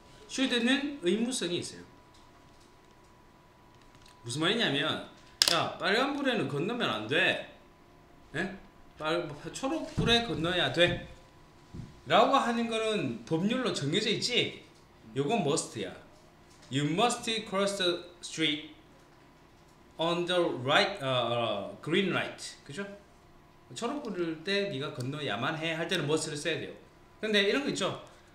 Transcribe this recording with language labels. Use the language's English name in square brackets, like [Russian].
[Korean] should는 의무성이 있어요. 무슨 말이냐면, 야, 빨간불에는 건너면 안 돼. 예? 초록불에 건너야 돼. 라고 하는 거는 법률로 정해져 있지? 요건 must야. [English] You must cross the street on the right, green light. [Korean] 그죠? 초록불일 때 네가 건너야만 해. 할 때는 must를 써야 돼요. 근데 이런 거 있죠?